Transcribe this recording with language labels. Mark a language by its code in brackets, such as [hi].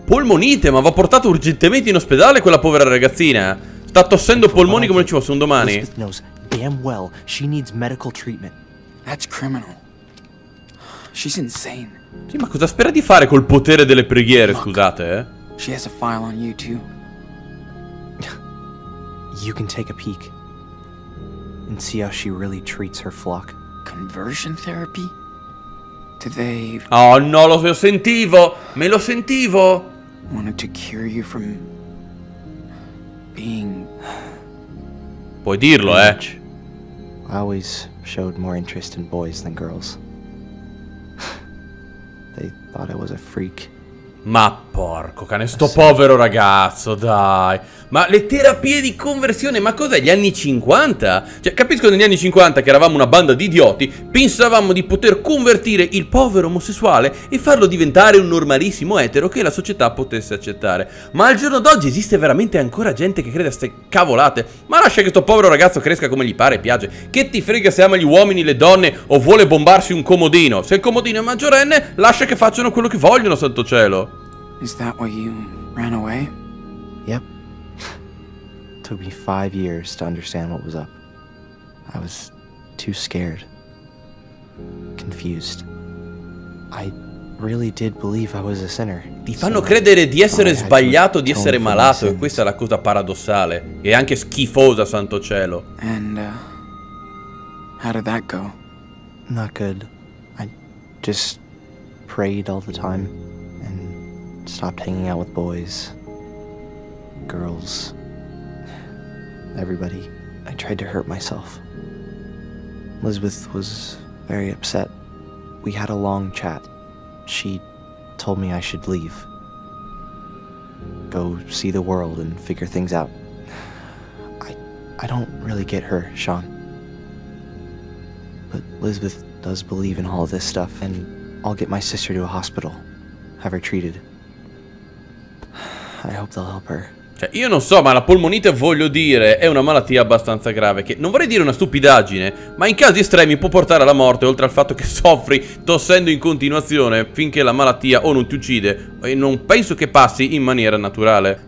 [it] Polmonite, ma va portata urgentemente in ospedale quella povera ragazzina. Sta tossendo polmoni come se ci fosse un domani. [en] Elizabeth knows damn well she needs medical treatment. That's criminal. She's insane. [it] Sì, ma cosa spera di fare col potere delle preghiere, [en] look, [it] scusate, [en] She has a file on you too. You can take a peek and see how she really treats her flock. Conversion therapy? Today. [it] Oh no, lo sentivo! Me lo sentivo! [en] Wanted to cure you from being... [it] Puoi dirlo, eh? [en] I always showed more interest in boys than girls. They thought I was a freak. [it] Ma porco cane, sto povero ragazzo, dai. Ma le terapie di conversione, ma cos'è, gli anni 50? Cioè, capisco, negli anni 50, che eravamo una banda di idioti, pensavamo di poter convertire il povero omosessuale e farlo diventare un normalissimo etero che la società potesse accettare. Ma al giorno d'oggi esiste veramente ancora gente che crede a ste cavolate? Ma lascia che sto povero ragazzo cresca come gli pare e piace. Che ti frega se ama gli uomini, le donne o vuole bombarsi un comodino? Se il comodino è maggiorenne, lascia che facciano quello che vogliono, santo cielo. [en] Is that why you ran away? Yep. Took me 5 years to understand what was up. I was too scared. Confused. I really did believe I was a sinner. [it] Ti fanno credere di essere sbagliato, di essere malato, e questa è la cosa paradossale. E anche schifosa, santo cielo. [en] And how did that go? Not good. I just prayed all the time. Stopped hanging out with boys, girls, everybody. I tried to hurt myself. Elizabeth was very upset. We had a long chat. She told me I should leave. Go see the world and figure things out. I don't really get her, Sean. But Elizabeth does believe in all of this stuff, and I'll get my sister to a hospital, have her treated. I hope they'll help her. [it] Cioè, io non so, ma la polmonite, voglio dire, è una malattia abbastanza grave che, non vorrei dire una stupidaggine, ma in casi estremi può portare alla morte, oltre al fatto che soffri tossendo in continuazione finché la malattia o non ti uccide e non penso che passi in maniera naturale.